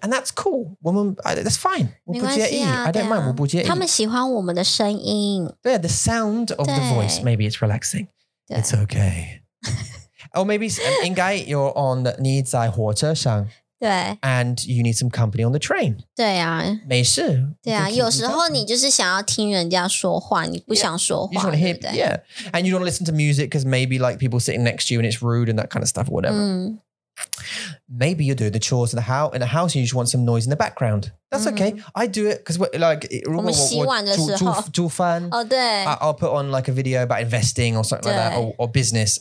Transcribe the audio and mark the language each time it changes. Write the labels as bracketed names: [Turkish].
[English] And that's cool. That's fine. [Chinese] 没关系啊, [English] I don't mind. [Chinese] 我不介意. 他们喜欢我们的声音. [English] Yeah, the sound of the voice. Maybe it's relaxing. It's okay. Or maybe in guy, you're on the [Chinese] 你在火车上. 对, [English] and you need some company on the train. [Chinese] 对啊, 没事, 对啊, 有时候你就是想要听人家说话, 你不想说话, [English] you just to hear, yeah. And you don't listen to music because maybe like people sitting next to you and it's rude and that kind of stuff or whatever. Maybe you're doing the chores in the house and you just want some noise in the background. That's okay. I do it because I'll put on like a video about investing or something like that or business.